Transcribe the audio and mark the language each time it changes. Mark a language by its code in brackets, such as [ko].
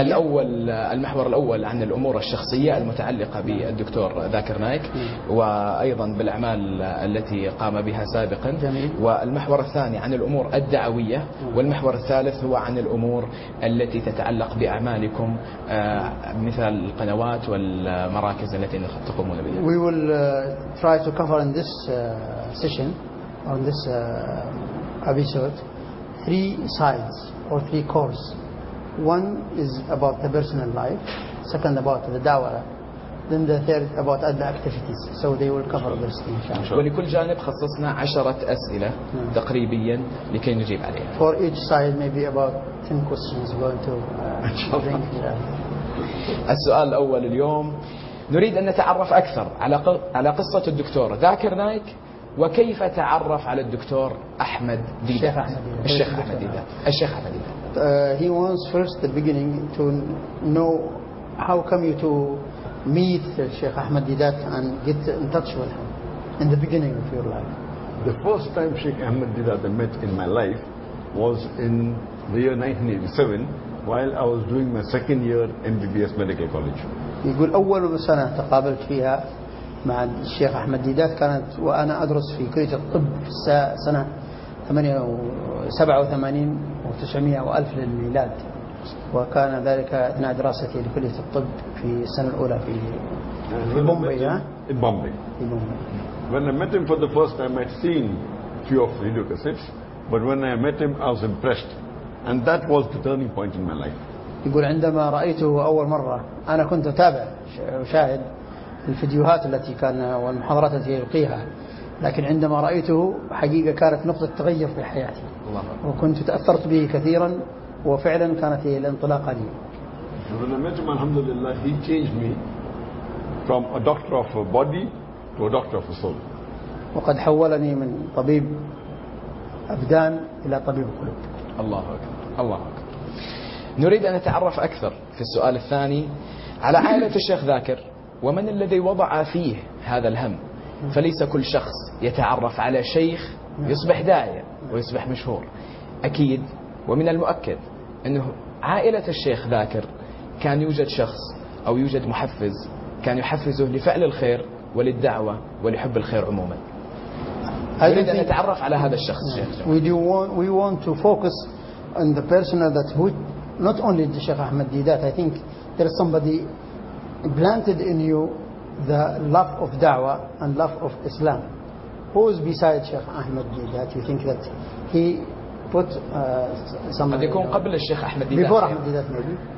[ar] الأول المحور الأول عن الأمور الشخصية المتعلقة بالدكتور ذاكر نايك وأيضا بالأعمال التي قام بها سابقا. جميل. والمحور الثاني عن الأمور الدعوية، والمحور الثالث هو عن الأمور التي تتعلق بأعمالكم مثل القنوات والمراكز التي تقومون بها. [en] We will try to cover in this session, on this episode, three sides or three cores. One is about the personal life, second about the dawah, then the third about other activities. So they will cover sure. this thing. [ar] ولكل جانب خصصنا 10 أسئلة تقريبيا لكي نجيب عليها. [en] For each side maybe about 10 questions going to bring here. [ar] السؤال الأول اليوم، نريد أن نتعرف أكثر على قصة الدكتور ذاكر نايك، وكيف تعرف على الدكتور أحمد ديدا؟ الشيخ أحمد ديدا. الشيخ أحمد ديدا. [en] He wants first the beginning to know how come you to meet Sheikh Ahmed Didat and get in touch with him in the beginning of your life. The first time Sheikh Ahmed Didat I met in my life was in the year 1987 while I was doing my second year MBBS Medical College. [ar] يقول أول سنة تقابلت فيها مع الشيخ أحمد ديدات كانت وأنا أدرس في كلية الطب في سنة 87 و900 و1000 للميلاد، وكان ذلك أثناء دراستي لكلية الطب في السنة الأولى في بومبي. [en] When I met him for the first time I'd seen few of radio cassettes, but when I met him I was impressed and that was the turning point in my life. [ar] يقول عندما رأيته أول مرة أنا كنت أتابع وشاهد الفيديوهات التي كان والمحاضرات التي يلقيها، لكن عندما رأيته حقيقة كانت نقطة تغير في حياتي وكنت تأثرت به كثيرا، وفعلا كانت هي الانطلاقة لي. [en] When I met him, alhamdulillah, he changed me from a doctor of a body to a doctor of a soul. [ar] وقد حولني من طبيب أبدان إلى طبيب قلوب. الله أكبر الله أكبر. نريد أن نتعرف أكثر في السؤال الثاني على عائلة الشيخ ذاكر، ومن الذي وضع فيه هذا الهم؟ فليس كل شخص يتعرف على شيخ يصبح داعية ويصبح مشهور. أكيد ومن المؤكد أنه عائلة الشيخ ذاكر كان يوجد شخص أو يوجد محفز كان يحفزه لفعل الخير وللدعوة ولحب الخير عموما. نريد أن نتعرف على هذا الشخص. [en] We want to focus on the person that who not only the Sheikh Ahmed Didat. I think there is somebody planted in you the love of da'wah and love of Islam. Who is beside Sheikh Ahmed Didat? You think that he put somebody before Ahmed Didat maybe?